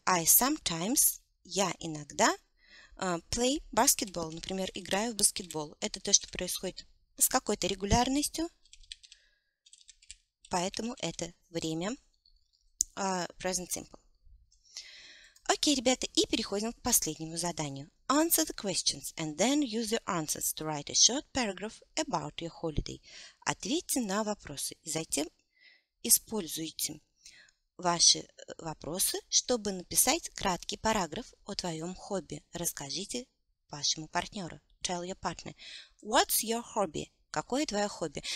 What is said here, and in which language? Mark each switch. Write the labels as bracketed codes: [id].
[en] I sometimes, [ru] я иногда, [en] play basketball. [ru] Например, играю в баскетбол. Это то, что происходит с какой-то регулярностью. Поэтому это время. Present simple. Окей, ребята, и переходим к последнему заданию. [en] Answer the questions and then use your answers to write a short paragraph about your holiday. [ru] Ответьте на вопросы и затем используйте ваши вопросы, чтобы написать краткий параграф о твоем хобби. Расскажите вашему партнеру. [en] Tell your partner. What's your hobby? [ru] Какое твое хобби?